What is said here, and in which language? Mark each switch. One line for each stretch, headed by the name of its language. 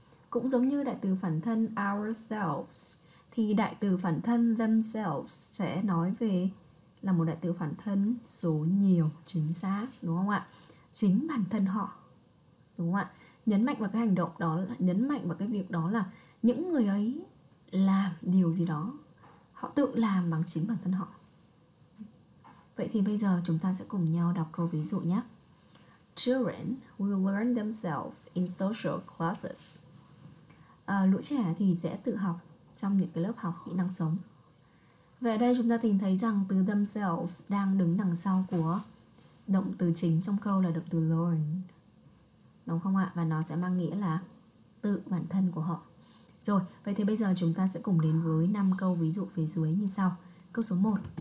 Vietnamese: Cũng giống như đại từ phản thân ourselves thì đại từ phản thân themselves sẽ nói về là một đại từ phản thân số nhiều, chính xác, đúng không ạ? Chính bản thân họ, đúng không ạ? Nhấn mạnh vào cái hành động đó, nhấn mạnh vào cái việc đó là những người ấy làm điều gì đó, họ tự làm bằng chính bản thân họ. Vậy thì bây giờ chúng ta sẽ cùng nhau đọc câu ví dụ nhé.
English: Children will learn themselves in social classes.
Vietnamese: Lũ trẻ thì sẽ tự học trong những cái lớp học kỹ năng sống. Vậy ở đây chúng ta tìm thấy rằng từ themselves đang đứng đằng sau của động từ chính trong câu là động từ learn. Đúng không ạ? Và nó sẽ mang nghĩa là tự bản thân của họ. Rồi, vậy thì bây giờ chúng ta sẽ cùng đến với 5 câu ví dụ phía dưới như sau. Câu số 1.